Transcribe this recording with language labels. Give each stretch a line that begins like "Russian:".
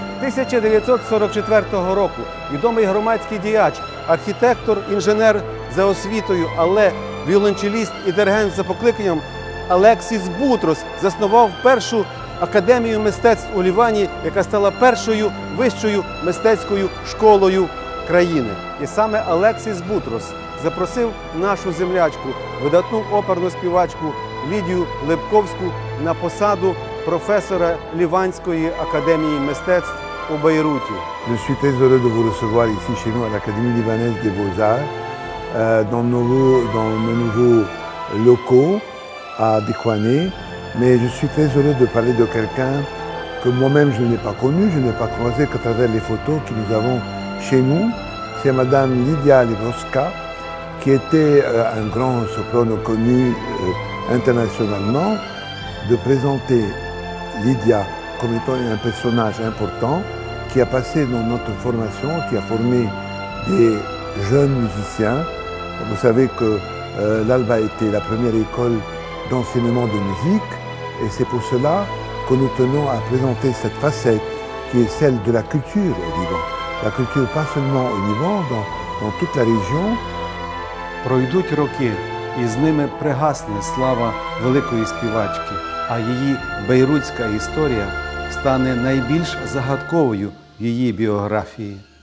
Ukrainian: 1944 року відомий громадський діяч, архітектор, інженер за освітою, але віолончеліст і диригент за покликанням Алексіс Бутрос заснував першу академію мистецтв у Лівані, яка стала першою вищою мистецькою школою країни. І саме Алексіс Бутрос запросив нашу землячку, видатну оперну співачку Лідію Лепковську на посаду професора Ліванської академії мистецтв у Бейруті.
French: Je suis très heureux de vous recevoir ici chez nous à l'Académie Libanaise des Beaux-Arts dans nos nouveaux locaux à Dikwane. Mais je suis très heureux de parler de quelqu'un que moi-même je n'ai pas connu, je n'ai pas croisé qu'à travers les photos que nous avons chez nous. C'est Madame Lidia Lebowska, qui était un grand soprano connu internationalement, de présenter Lidia comme étant un personnage important qui a passé dans notre formation, qui a formé des jeunes musiciens. Vous savez que l'ALBA a été la première école d'enseignement de musique et c'est pour cela que nous tenons à présenter cette facette qui est celle de la culture au Liban. La culture pas seulement au Liban, dans toute la région.
Ukrainian: Пройдуть роки, і з ними пригасне слава великої співачки, а її бейрутська історія стане найбільш загадковою в її біографії.